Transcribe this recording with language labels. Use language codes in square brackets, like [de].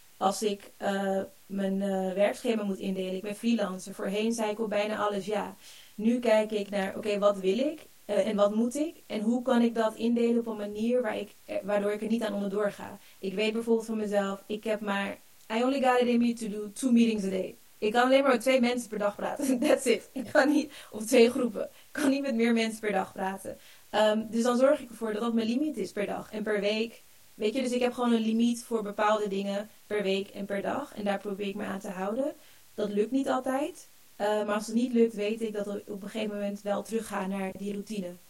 [nl] Als ik mijn werkschema moet indelen, ik ben freelancer. Voorheen zei ik op bijna alles ja. Nu kijk ik naar, oké, wat wil ik? En wat moet ik? En hoe kan ik dat indelen op een manier waardoor ik er niet aan onderdoor ga? Ik weet bijvoorbeeld van mezelf, ik heb maar... [en] I only got it in me to do 2 meetings a day. [nl] Ik kan alleen maar met 2 mensen per dag praten. [en] That's it. [nl] Ik kan niet... Of 2 groepen. Ik kan niet met meer mensen per dag praten. Dus dan zorg ik ervoor dat dat mijn limiet is per dag en per week. Weet je, dus ik heb gewoon een limiet voor bepaalde dingen per week en per dag. En daar probeer ik me aan te houden. Dat lukt niet altijd. Maar als het niet lukt, weet ik dat we op een gegeven moment wel teruggaan naar die routine.